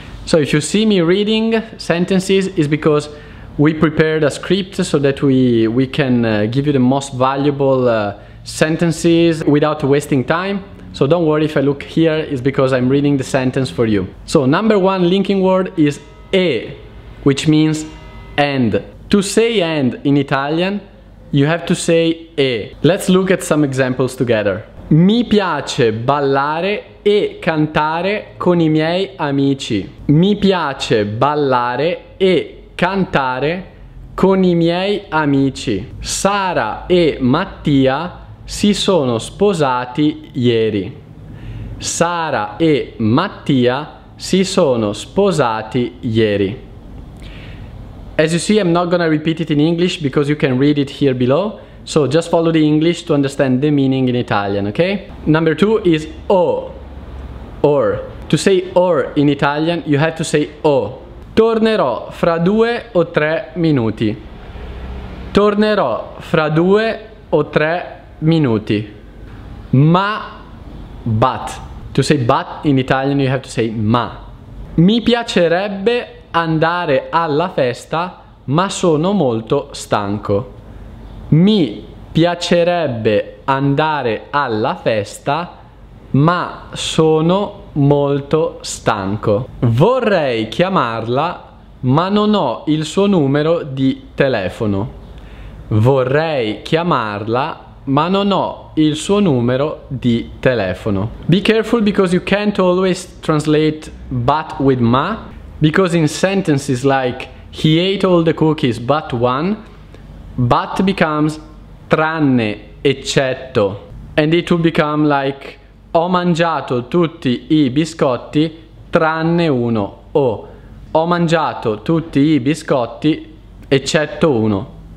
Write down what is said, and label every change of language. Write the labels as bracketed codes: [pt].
[en] So if you see me reading sentences, it's because we prepared a script so that we can give you the most valuable sentences without wasting time. So don't worry if I look here, it's because I'm reading the sentence for you. So number one linking word is e, which means and. To say and in Italian, you have to say e. Let's look at some examples together. [it] Mi piace ballare e cantare con i miei amici. Mi piace ballare e cantare con i miei amici. Sara e Mattia si sono sposati ieri. Sara e Mattia si sono sposati ieri. [en] As you see, I'm not gonna repeat it in English because you can read it here below. So just follow the English to understand the meaning in Italian, okay? Number two is o, or. To say or in Italian, you have to say o. [it] Tornerò fra 2 o 3 minuti. Tornerò fra 2 o 3 minuti. Ma, but. [en] To say but in Italian, you have to say ma. [it] Mi piacerebbe andare alla festa, ma sono molto stanco. Mi piacerebbe andare alla festa, ma sono molto stanco. Vorrei chiamarla, ma non ho il suo numero di telefono. Vorrei chiamarla, ma non ho il suo numero di telefono. [en] Be careful because you can't always translate but with ma, because in sentences like he ate all the cookies but one, but becomes tranne, eccetto, and it will become like [it] ho mangiato tutti i biscotti tranne uno, o ho mangiato tutti i biscotti eccetto uno.